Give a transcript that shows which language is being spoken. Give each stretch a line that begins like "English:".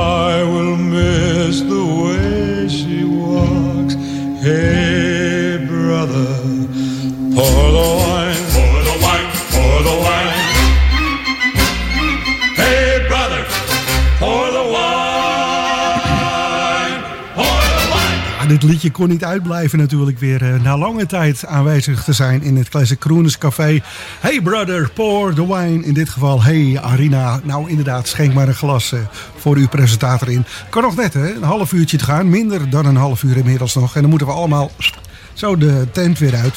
English: I will miss the way she walks. Hey, brother, pour the wine. Pour the wine, pour the wine. Hey, brother, pour the wine, pour the wine.
Dutch: Ja, dit liedje kon niet uitblijven natuurlijk weer na lange tijd aanwezig te zijn in het Classic Crooners Café.
English: Hey, brother, pour the wine.
Dutch: In dit geval, hey, Arina, nou inderdaad, schenk maar een glas voor uw presentator in. Kan nog net, hè? Een half uurtje te gaan. Minder dan een half uur inmiddels nog. En dan moeten we allemaal zo de tent weer uit.